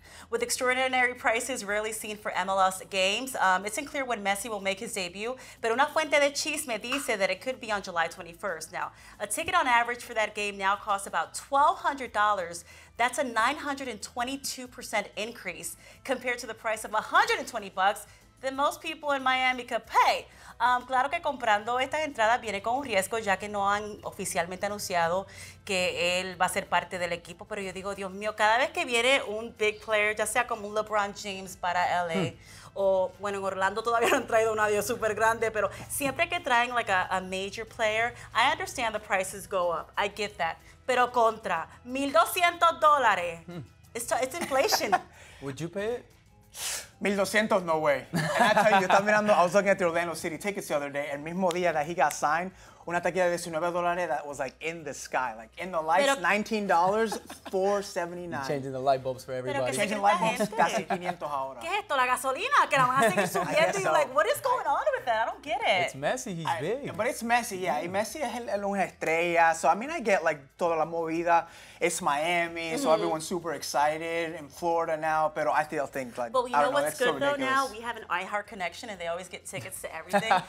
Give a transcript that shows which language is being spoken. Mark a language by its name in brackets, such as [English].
[English] With extraordinary prices rarely seen for MLS games, it's unclear when Messi will make his debut, but [Spanish] una fuente de chisme dice [English] that it could be on July 21st. Now, a ticket on average for that game now costs about $1,200. That's a 922% increase compared to the price of $120 that most people in Miami could pay. [Spanish] Claro que comprando estas entradas viene con un riesgo, ya que no han oficialmente anunciado que él va a ser parte del equipo. Pero yo digo, Dios mío, cada vez que viene un [English] big player, [Spanish] ya sea como un LeBron James para LA, o bueno, en Orlando todavía no han traído un adiós súper grande, pero siempre que traen [English] like a major player, I understand the prices go up. I get that. [Spanish] Pero contra, $1,200. [English] It's inflation. Would you pay it? 1,200, no way. And I tell you, [Spanish] mirando, [English] I was looking at the Orlando City tickets the other day, and [Spanish] mismo día [English] that he got signed, [Spanish] una taquilla de $19 [English] that was like in the sky, like in the lights, $19, $4.79. Changing the light bulbs for everybody. Changing light bulbs, [Spanish] casi 500 ahora. ¿Qué es esto? La gasolina, que la van a seguir subiendo. [English] So. Like, what is going on with that? I don't get it. It's Messi, he's big. But it's Messi, yeah. Mm. [Spanish] Y Messi es el una estrella. [English] So, I mean, I get like [Spanish] toda la movida. [English] It's Miami, mm-hmm. So everyone's super excited in Florida now, [Spanish] pero [English] I still think like, but you know what's good so though ridiculous. Now? We have an iHeart connection and they always get tickets to everything.